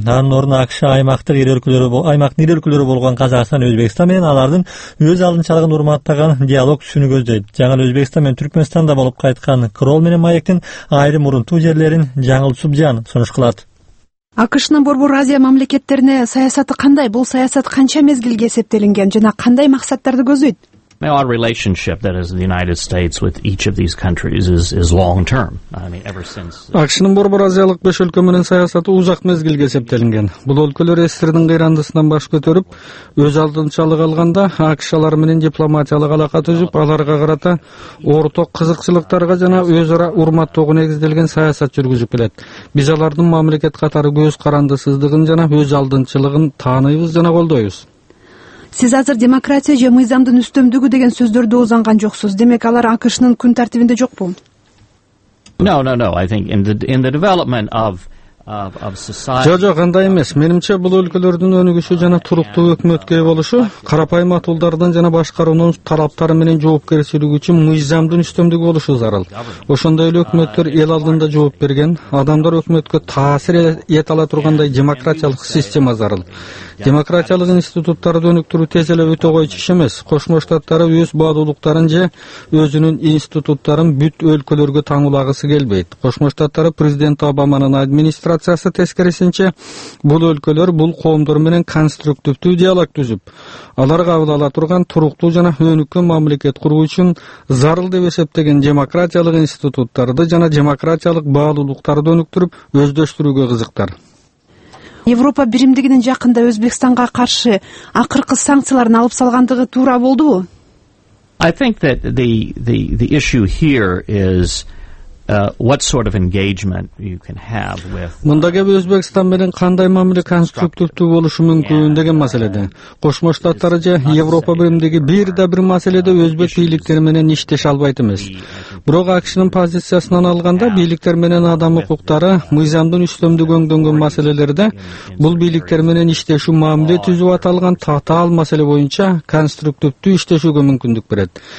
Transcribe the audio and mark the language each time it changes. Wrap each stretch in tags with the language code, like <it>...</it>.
<ky>Анын ордуна АКШ аймактын ири өлкөлөрү болгон Казакстан, Өзбекстан менен алардын өз алдынчалыгын урматтаган диалог түшүнү көздөйт. Жаңы эле Өзбекстан менен Түркмөнстанда болуп кайткан Крол менен маектин айрым урунтуу жерлерин Жаңыл Субжан сунуш кылат. АКШнын Борбор Азия мамлекеттерине саясаты кандай? Бул саясат канча мезгилге эсептелинген жана кандай максаттарды көздөйт?</ky> <en>Our relationship, that is the United States, with each of these countries is long-term. Ever since...</en> <ky>АКШнын Борбор Азиялык 5 өлкө менен саясаты узак мезгилге эсептелинген. Бул өлкөлөр СССРдин кыйрандысынан баш көтөрүп, өз алдынчалык алганда, АКШ алар менен дипломатиялык алака түзүп, аларга карата орток кызыкчылыктарга жана өз ара урматтоого негизделген саясат жүргүзүп келет. Биз алардын мамлекет катары көз карандысыздыгын жана өз алдынчылыгын тааныйбыз жана колдойбуз. Сиз азыр демократия же мыйзамдын үстөмдүгү деген сөздөрдү узанган жоксуз. Демек алар АКШнын күн тартибинде жокпу?</ky> <en>No. I think in the development of</en> <ky>Жо-жок, андай эмес. Менимче, бул өлкөлөрдүн өнүгүшү жана туруктуу өкмөткө ээ болушу карапайым атуулдардын жана башкаруунун талаптары менен жоопкерчилиги үчүн мыйзамдын үстөмдүгү болушу зарыл. Ошондой эле өкмөттөр эл алдында жооп берген, адамдар өкмөткө таасир эте ала тургандай демократиялык система зарыл. Демократиялык институттарды өнүктүрүү тез эле өтө коюч иш эмес. Кошмо Штаттары өз баалуулуктарын же өзүнүн институттарын бүт өлкөлөргө таңуулагысы келбейт. Кошмо Штаттары президент Обаманын администрациясы тескерисинче бул өлкөлөр бул коомдор менен конструктивдүү диалог түзүп, алар кабыл ала турган туруктуу жана өнүккөн мамлекет куруу үчүн зарыл деп эсептеген демократиялык институттарды жана демократиялык баалуулуктарды өнүктүрүп өздөштүрүүгө кызыктар. Европа биримдигинин жакында Өзбекстанга каршы акыркы санкцияларын алып салгандыгы туура болдубу?</ky> <en>I think that the issue here is what sort of engagement you can have with</en> <ky>Мында кеп Өзбекстан менен кандай мамиле конструктивдүү болушу мүмкүн деген маселеде. Кошмо Штаттары же Европа биримдиги бир да бир маселеде өзбек бийликтери менен иштеше албайт эмес. Бирок АКШнын позициясынан алганда бийликтер менен адам укуктары мыйзамдын үстөмдүгү өңдөнгөн маселелерде бул бийликтер менен иштешүү мамиле түзүп аталган татаал маселе боюнча конструктивдүү иштешүүгө мүмкүндүк берет.</ky>